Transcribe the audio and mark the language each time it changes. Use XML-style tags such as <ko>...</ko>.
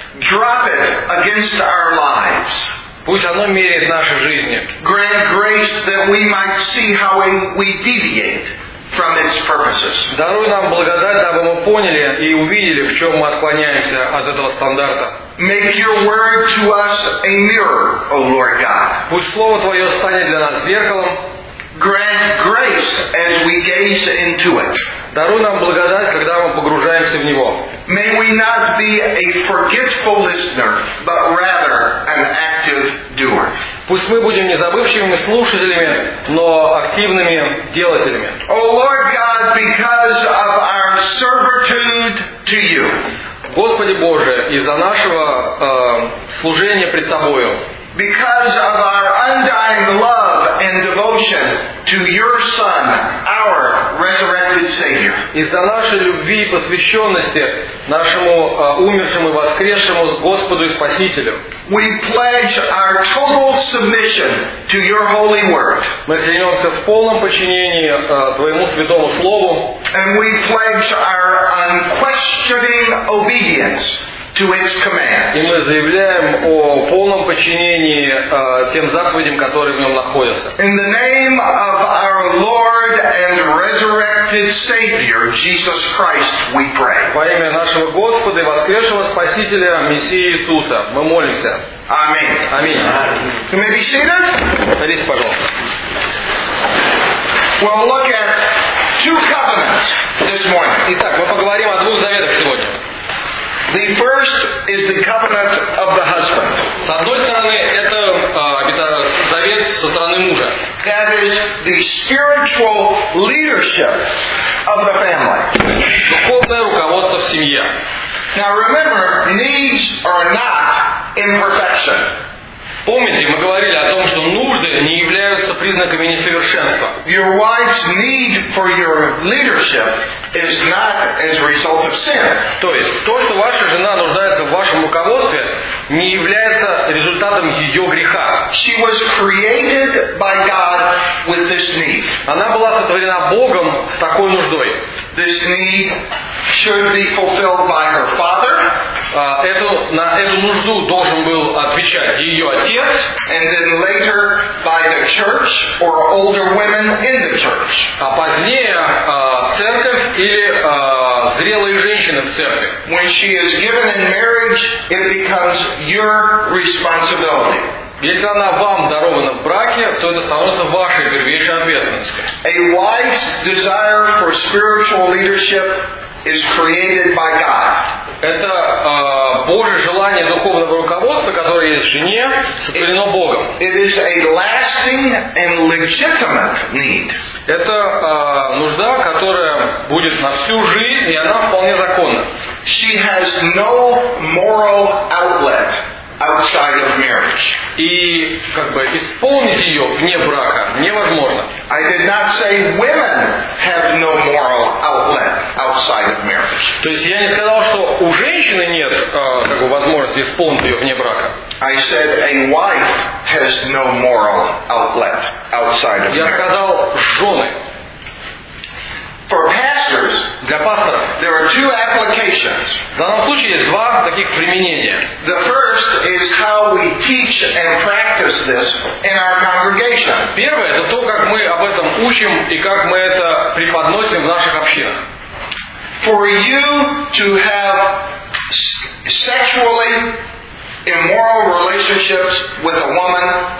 <en>Drop it against our lives.</en> <ru>Пусть оно меряет наши жизни.</ru> <en>Grant grace that we might see how we deviate from its purposes.</en> <ru>Даруй нам благодать, дабы мы поняли и увидели, в чем мы отклоняемся от этого стандарта.</ru> <en>Make your word to us a mirror, O Lord God.</en> <ru>Пусть слово Твое станет для нас зеркалом.</ru> <en>Grant grace as we gaze into it.</en> <ru>Даруй нам благодать, когда мы погружаемся в него.</ru> <en>May we not be a forgetful listener, but rather an active doer.</en> <ru>Пусть мы будем не забывчивыми слушателями, но активными делателями.</ru> <en>O Lord God, because of our servitude to you.</en> <ru>Господи Боже, из-за нашего служения пред Тобою.</ru> <en>Because of our undying love and devotion to your Son, our resurrected Savior.</en> <ru>Из-за нашей любви и посвященности нашему умершему и воскресшему Господу и Спасителю.</ru> <en>We pledge our total submission to your holy word.</en> <ru>Мы клянемся в полном подчинении Твоему Святому Слову.</ru> <en>And we pledge our unquestioning obedience to its commands.</en> <ru>И мы заявляем о полном подчинении тем заповедям, которые в нем находятся.</ru> <en>In the name of our Lord and resurrected Savior, Jesus Christ, we pray.</en> <ru>Во имя нашего Господа и воскресшего Спасителя, Мессии Иисуса, мы молимся. Аминь. Аминь.</ru> <en>You may be seated.</en> <ru>Садись, пожалуйста.</ru> <en>We'll look at two covenants this morning.</en> <ru>Итак, мы поговорим о двух заветах сегодня.</ru> <en>The first is the covenant of the husband.</en> <ru>С одной стороны, это завет со стороны мужа.</ru> <en>That is the spiritual leadership of the family.</en> <ru>Духовное руководство в семье.</ru> <en>Now remember, needs are not imperfection.</en> <ru>Помните, мы говорили о том, что нужды не являются признаками несовершенства.</ru> <en>Your wife's need for your leadership is not as a result of sin.</en> <ru>То есть, то, что ваша жена нуждается в вашем руководстве, не является результатом ее греха.</ru> <en>She was created by God with this need.</en> <ru>Она была сотворена Богом с такой нуждой.</ru> <en>This need should be fulfilled by her father.</en> <ru>На эту нужду должен был отвечать ее отец.</ru> <en>And then later by the church or older women in the church.</en> <ru>А позднее церковь или зрелые женщины в церкви.</ru> <en>When she is given in marriage, it becomes your responsibility.</en> <ru>Если она вам дарована в браке, то это становится вашей первейшей ответственностью.</ru> <en>A wife's desire for spiritual leadership is created by God.</en> <ru>Это Божье желание духовного руководства, которое есть в жене, сотворено Богом.</ru> <en>It is a lasting and legitimate need.</en> <ru>Это нужда, которая будет на всю жизнь, и она вполне законна.</ru> <en>She has no moral outlet outside of marriage.</en> <ru>И как бы исполнить ее вне брака невозможно.</ru> <en>I did not say women have no moral outlet outside of marriage.</en> <ru>То есть я не сказал, что у женщины нет как бы возможности исполнить ее вне брака.</ru> <en>I said a wife has no moral outlet outside of marriage.</en> <ru>Я сказал жены.</ru> <en>For pastors,</en> <ru>для пастора,</ru> <en>there are two applications.</en> <ru>В данном случае есть два таких применения.</ru> <en>The first is how we teach and practice this in our congregation.</en> <ru>Первое это то, как мы об этом учим и как мы это преподносим в наших общинах.</ru> <en>For you to have sexually immoral relationships with a woman</en>